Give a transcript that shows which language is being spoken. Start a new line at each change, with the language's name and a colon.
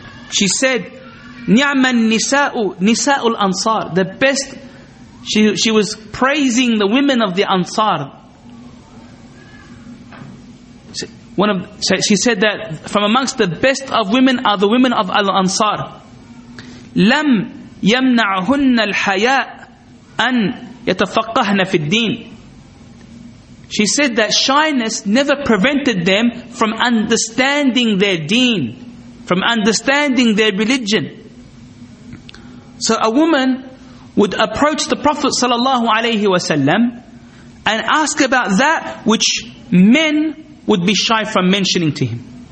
English: She said,
Arabic: "Ni'ma nisa'u nisa'ul ansar."
English: The best. She was praising the women of the Ansar. She said that from amongst the best of women are the women of Al Ansar.
Arabic: Lam يمنعهن الحياء أن يتفقهن في الدين.
English: She said that shyness never prevented them from understanding their deen, from understanding their religion. So a woman would approach the Prophet sallallahu alaihi wasallam and ask about that which men would be shy from mentioning to him.